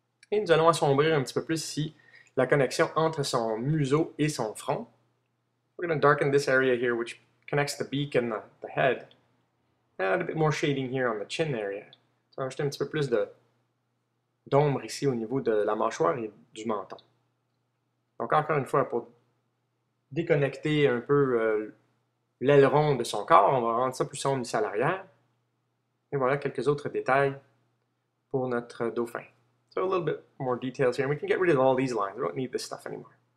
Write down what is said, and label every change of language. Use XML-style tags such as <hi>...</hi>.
<fr>Et nous allons assombrir un petit peu plus ici la connexion entre son museau et son front.</fr> <en>We're going to darken this area here, which connects the beak and the head. Add a bit more shading here on the chin area.</en> <fr>On va ajouter un petit peu plus d'ombre ici au niveau de la mâchoire et du menton. Donc encore une fois, pour déconnecter un peu l'aileron de son corps, on va rendre ça plus sombre ici à l'arrière. Et voilà quelques autres détails pour notre dauphin.</fr> <en>So a little bit more details here, and we can get rid of all these lines. We don't need this stuff anymore.</en>